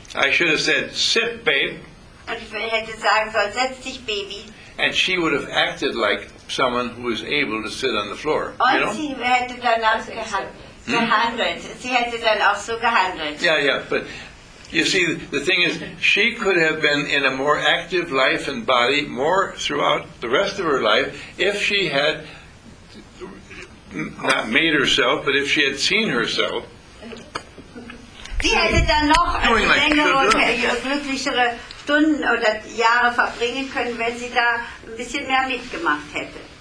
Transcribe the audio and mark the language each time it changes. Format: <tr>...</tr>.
<en>I should have said, sit, babe.</en> <de>Und ich hätte sagen sollen, setz dich, Baby.</de> <en>And she would have acted like someone who is able to sit on the floor.</en> <de>Und</de> <en>you know?</en> <de>Sie hätte dann auch gehandelt. Sie hätte dann auch so gehandelt.</de> <en>Yeah, yeah, but you see, the thing is, she could have been in a more active life and body more throughout the rest of her life if she had not made herself, but if she had seen herself.</en> <de>Sie hätte dann noch längere, glücklichere Stunden oder Jahre verbringen können, wenn sie da ein bisschen mehr mitgemacht hätte.</de>